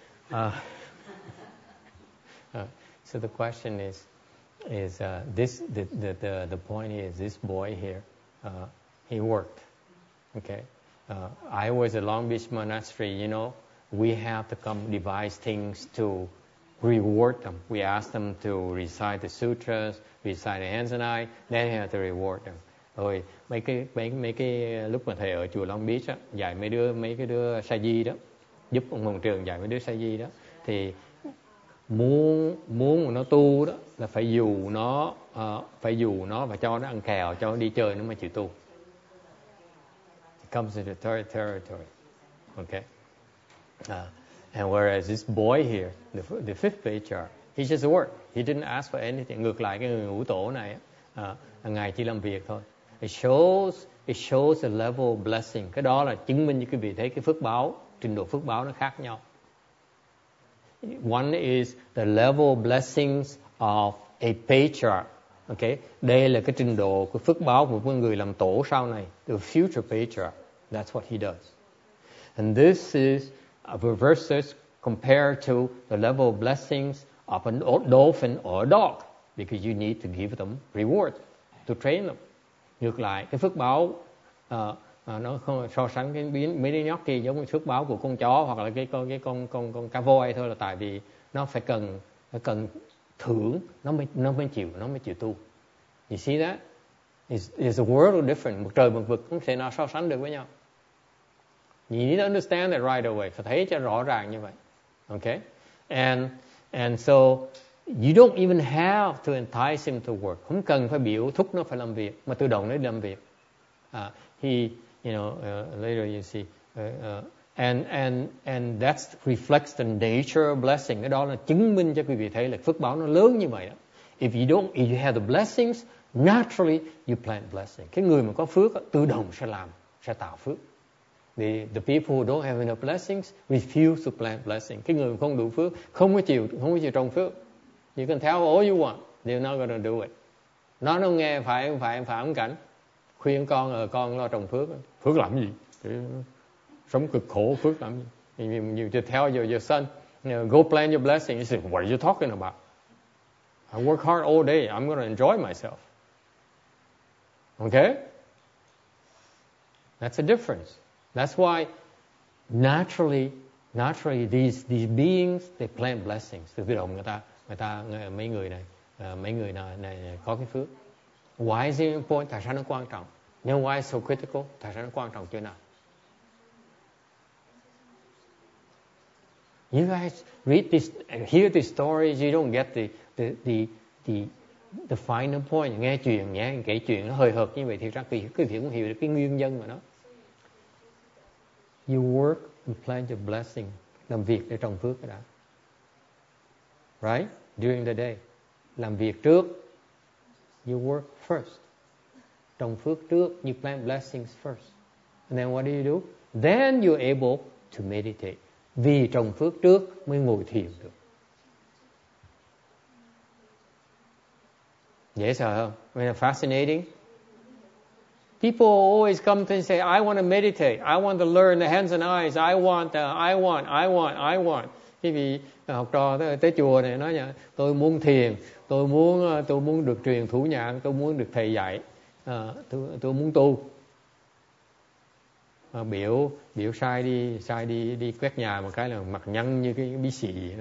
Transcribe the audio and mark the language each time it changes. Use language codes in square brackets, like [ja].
[en] So the question is the point is this boy here, he worked. Okay. I was at Long Beach Monastery, you know. We have to come devise things to reward them. We ask them to recite the sutras, recite the hands and eyes, then we have to reward them. [vi] Rồi mấy cái lúc mà thầy ở chùa Long Beach á, dạy mấy cái đứa sa di đó, giúp ông Hồng Trường dạy mấy đứa sa di đó, thì muốn nó tu đó là phải dụ nó và cho nó ăn kèo, cho nó đi chơi nó mới chịu tu. [en] It comes into the territory. Okay. And whereas this boy here, the fifth patriarch, he just worked. He didn't ask for anything. [vi] Ngược lại cái người ngũ tổ này, ngài chỉ làm việc thôi. [en] It shows the level of blessing. [vi] Cái đó là chứng minh cho quý vị thấy cái phước báo, trình độ phước báo nó khác nhau. [en] One is the level of blessings of a patriarch. [vi] Okay, đây là cái trình độ của phước báo của một người làm tổ sau này, [en] the future patriarch. That's what he does. And this is versus compared to the level of blessings of a dolphin or a dog, because you need to give them reward to train them. [vi] Ngược lại, cái phước báo nó không so sánh cái mini gnocchi giống như phước báo của con chó hoặc là cái con cá voi thôi, là tại vì nó phải cần thưởng nó mới chịu tu. [en] You see that? It's a world of different, [vi] một trời một vực, không thể nào so sánh được với nhau. [en] You need to understand that right away. [vi] Phải thấy cho rõ ràng như vậy. [en] Okay? And so you don't even have to entice him to work. [vi] Không cần phải biểu thúc nó phải làm việc, mà tự động nó làm việc. [en] Later you see. And that reflects the nature of blessing. [vi] Cái đó là chứng minh cho quý vị thấy là phước báo nó lớn như vậy đó. [en] If you have the blessings, naturally you plant blessing. [vi] Cái người mà có phước tự động sẽ làm, sẽ tạo phước. [en] The people who don't have enough blessings refuse to plant blessing. [vi] Cái người không đủ phước không có chịu trồng phước. [en] You can tell all you want, they're not gonna do it. [vi] Nó không nghe phải ông cảnh khuyên con con lo trồng phước. Phước làm gì? Sống cực khổ phước làm gì? [en] You just tell your son, go plant your blessing. He said, what are you talking about? I work hard all day. I'm gonna enjoy myself. Okay? That's the difference. That's why naturally these beings, they plant blessings. [vi] Tự động người ta mấy người này có cái phước. [en] Why is it important? [vi] Tại sao nó quan trọng? [en] Now why is it so critical? [vi] Tại sao nó quan trọng chưa nào? [en] You guys read this, hear this story, you don't get the the final point, [vi] nghe chuyện nhé, kể chuyện nó hơi hợp như vậy thì ra kỳ cái việc cũng hiểu được cái nguyên nhân của nó. [en] You work and plan your blessing, [vi] làm việc để trồng phước đã. [en] Right? During the day. [vi] Làm việc trước. [en] You work first. [vi] Trồng phước trước. [en] You plan blessings first. And then what do you do? Then you're able to meditate. [vi] Vì trồng phước trước mới ngồi thiền được. Dễ sợ không? [en] Isn't that fascinating? People always come to say, I want to meditate. I want to learn the hands and eyes. I want. [vi] Khi vị học trò tới chùa này nói nhỉ, tôi muốn thiền, tôi muốn được truyền thủ nhãn, tôi muốn được thầy dạy, tôi muốn tu. Biểu sai đi quét nhà một cái là mặt nhăn như cái bí xì.